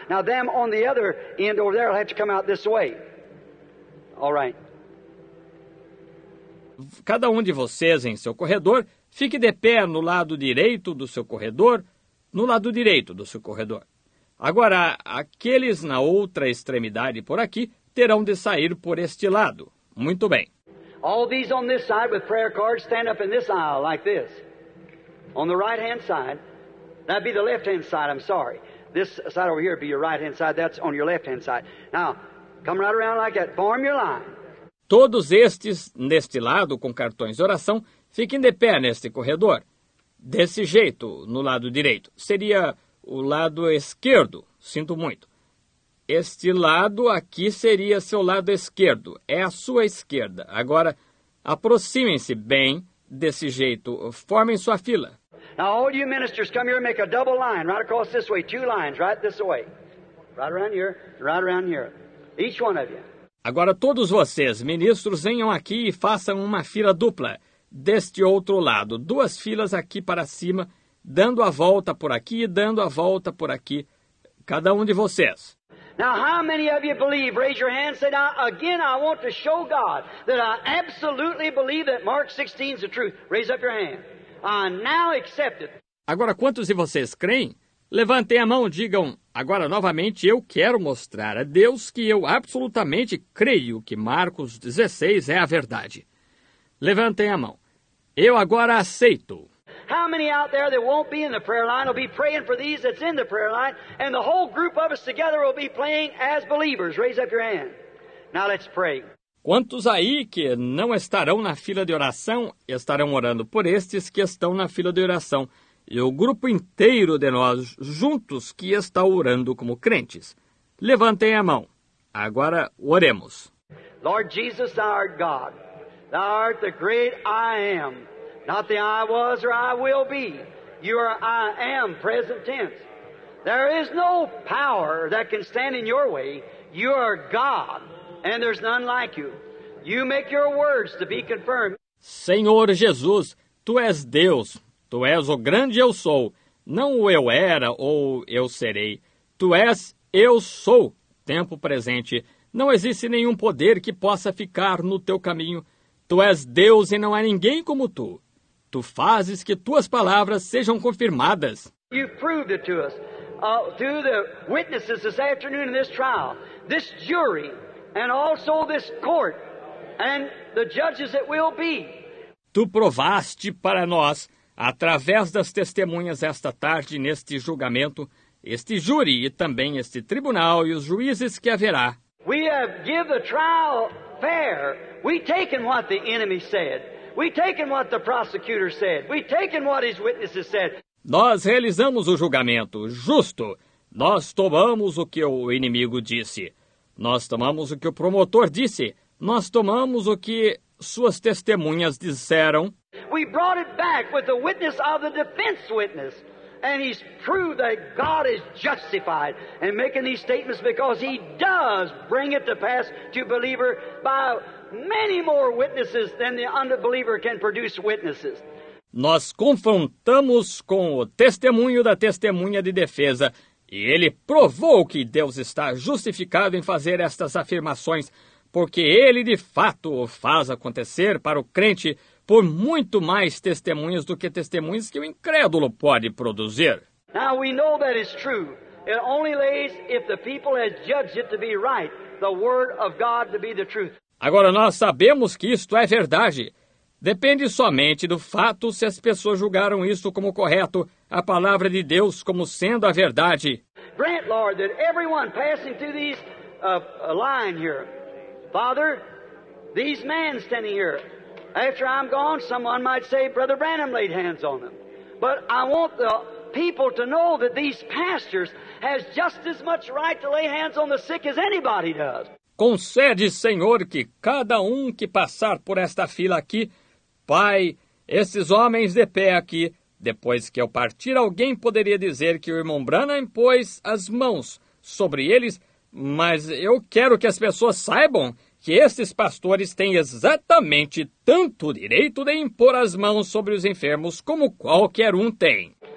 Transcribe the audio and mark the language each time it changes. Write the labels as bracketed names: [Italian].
[English] Now them on the other end over there will have to come out this way. All right. [Portuguese] Cada um de vocês em seu corredor, fique de pé no lado direito do seu corredor, no lado direito do seu corredor. Agora, aqueles na outra extremidade por aqui terão de sair por este lado. Muito bem. [English] All these on this side with prayer cards, stand up in this aisle like this. On the right hand side. That'd be the left hand side, I'm sorry. This side over here would be your right hand side. That's on your left hand side. Now, come right around like that. Form your line. [Portuguese] Todos estes, neste lado, com cartões de oração, fiquem de pé neste corredor. Desse jeito, no lado direito. Seria o lado esquerdo. Sinto muito. Este lado aqui seria seu lado esquerdo. É a sua esquerda. Agora, aproximem-se bem desse jeito. Formem sua fila. [English] Now, all you ministers, come here and make a double line, right across this way. Two lines, right this way. Right around here, right around here. Each one of you. [Portuguese] Agora todos vocês, ministros, venham aqui e façam uma fila dupla deste outro lado. Duas filas aqui para cima, dando a volta por aqui e dando a volta por aqui, cada um de vocês. [English] Now, how many of you believe? Raise your hand. Say, now, again, I want to show God that I absolutely believe that Mark 16 is the truth. Raise up your hand. I now accept it. [Portuguese] Agora, quantos de vocês creem? Levantem a mão e digam, agora novamente, eu quero mostrar a Deus que eu absolutamente creio que Marcos 16 é a verdade. Levantem a mão. Eu agora aceito. [English] How many out there that won't be in the prayer line will be praying for these that's in the prayer line, and the whole group of us together will be praying as believers. Raise up your hand. Now let's pray. [Portuguese] Quantos aí que não estarão na fila de oração estarão orando por estes que estão na fila de oração? E o grupo inteiro de nós juntos que está orando como crentes. Levantem a mão. Agora oremos. [English] Lord Jesus, our God, thou art the great I am. Not the I was or I will be. You are I am, present tense. There is no power that can stand in your way. You are God, and there's none like you. You make your words to be confirmed. [Portuguese] Senhor Jesus, tu és Deus. Tu és o grande eu sou, não o eu era ou eu serei. Tu és eu sou, tempo presente. Não existe nenhum poder que possa ficar no teu caminho. Tu és Deus e não há ninguém como tu. Tu fazes que tuas palavras sejam confirmadas. [English] You proved it to us through the witnesses this afternoon in this trial, this jury, and also this court, and the judges that will be. [Portuguese] Tu provaste para nós, através das testemunhas esta tarde neste julgamento, este júri e também este tribunal e os juízes que haverá. [English] We have given the trial fair. We've taken what the enemy said. We've taken what the prosecutor said. We've taken what his witnesses said. [Portuguese] Nós realizamos o julgamento justo. Nós tomamos o que o inimigo disse. Nós tomamos o que o promotor disse. Nós tomamos o que suas testemunhas disseram. [English] We brought it back with the witness of the defense witness, and he's proved that God is justified in making these statements because he does bring it to pass to believer by many more witnesses than the unbeliever can produce witnesses. [Portuguese] Nós confrontamos com o testemunho da testemunha de defesa, e ele provou que Deus está justificado em fazer estas afirmações, porque ele de fato o faz acontecer para o crente por muito mais testemunhos do que testemunhos que o incrédulo pode produzir. [English] Now we know that is true. It only lays if the people has judged it to be right, the word of God to be the truth. [Portuguese] Agora nós sabemos que isto é verdade. Depende somente do fato se as pessoas julgaram isto como correto, a palavra de Deus como sendo a verdade. [English] Grant, Lord, that everyone passing through these line here, Father, these men standing here, after I'm gone, someone might say, Brother Branham laid hands on them. But I want the people to know that these pastors have just as much right to lay hands on the sick as anybody does. [Portuguese] Concede, Senhor, que cada um que passar por esta fila aqui Pai, esses homens de pé aqui, depois que eu partir, alguém poderia dizer que o irmão Branham pôs as mãos sobre eles, mas eu quero que as pessoas saibam que esses pastores têm exatamente tanto direito de impor as mãos sobre os enfermos como qualquer um tem.